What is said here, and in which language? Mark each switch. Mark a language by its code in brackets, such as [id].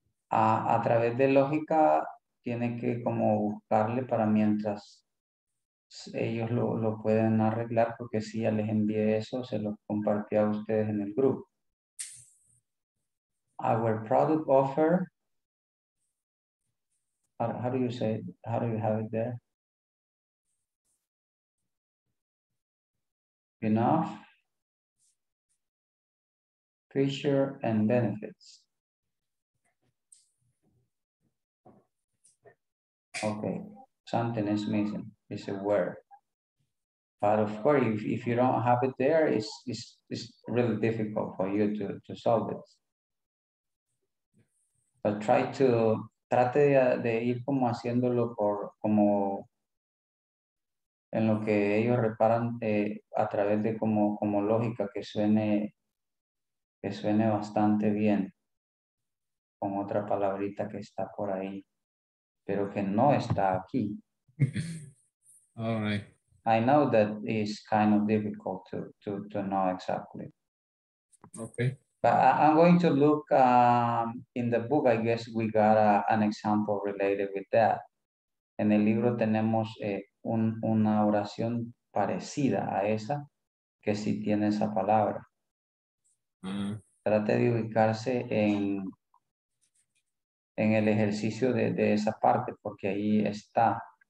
[es] A través de lógica, tiene que como buscarle para mientras ellos lo pueden arreglar, porque si ya les envié eso, se lo compartí a ustedes en el grupo. [en] Our product offer, how do you say it? How do you have it there? Enough, feature and benefits. Okay, something is missing. It's a word. But of course, if you don't have it there, it's really difficult for you to solve it. But try to, [es] trate de ir como haciéndolo por, como en lo que ellos reparan a través de como lógica que suene bastante bien con otra palabrita que está por ahí, pero que no está aquí. [en] All right. I know that is kind of difficult to know exactly. Okay. But I'm going to look in the book. I guess we got an example related with that. [es] En el libro tenemos una oración parecida a esa que sí tiene esa palabra. Trate de ubicarse en el ejercicio de esa parte porque ahí está.